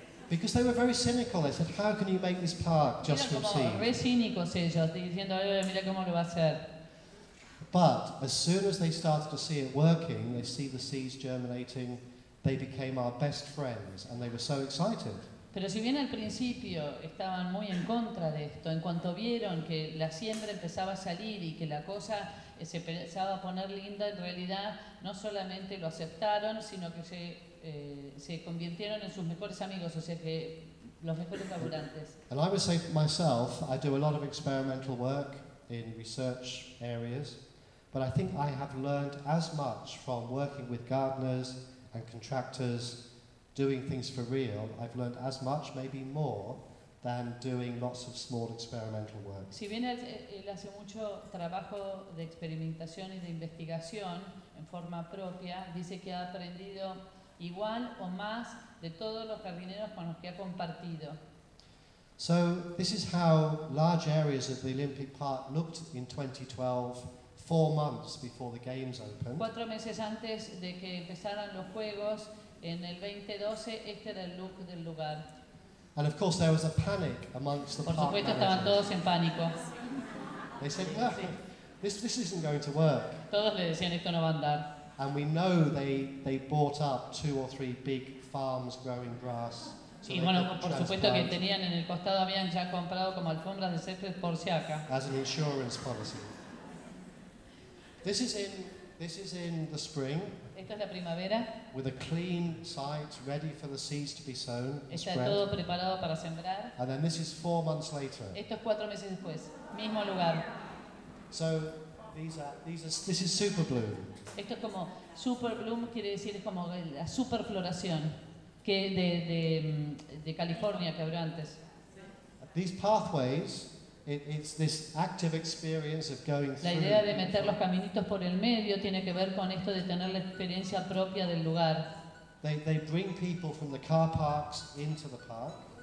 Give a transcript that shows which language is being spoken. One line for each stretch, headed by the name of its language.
English: Because they were very cynical, they said, how can you make this park just from seed?
Spanish: Re cínicos ellos, diciendo, mira cómo lo va a hacer.
English: But as soon as they started to see it working, they see the seeds germinating, they became our best friends, and they were so excited.
Spanish: Pero si bien al principio estaban muy en contra de esto, en cuanto vieron que la siembra empezaba a salir y que la cosa se empezaba a poner linda, en realidad no solamente lo aceptaron, sino que se convirtieron en sus mejores amigos, o sea que los mejores colaborantes.
English: And I would say for myself, I do a lot of experimental work in research areas, but I think I have learned as much from working with gardeners and contractors doing things for real. I've learned as much, maybe more, than doing lots of small experimental work.
Spanish: Si bien él hace mucho trabajo de experimentación y de investigación en forma propia, dice que ha aprendido igual o más de todos los jardineros con los que ha compartido.
English: So this is how large areas of the Olympic Park looked in 2012, 4 months before the games opened.
Spanish: 4 meses antes de que empezaran los juegos en el 2012, este era el look del lugar.
English: And of course there was a panic amongst the park managers.
Spanish: Por supuesto, estaban todos en pánico.
English: They said, "This isn't going to work."
Spanish: Todos le decían, esto no va a andar.
English: and we know they bought up two or three big farms growing grass.
Spanish: Sí, bueno, por supuesto que tenían en el costado, habían ya comprado como alfombras de césped por si acá.
English: As an insurance policy. This is in the spring.
Spanish: Esta es la primavera.
English: With a clean site ready for the seeds to be sown.
Spanish: Está todo preparado para sembrar.
English: And then this is 4 months later.
Spanish: Esto es 4 meses después, mismo lugar.
English: So this is super bloom.
Spanish: Esto es como super bloom, quiere decir es como la super floración que de California que habló antes.
English: These pathways. It's this active experience of going through.
Spanish: La idea de meter los caminitos por el medio tiene que ver con esto de tener la experiencia propia del lugar.
English: They bring people from the car parks into the park.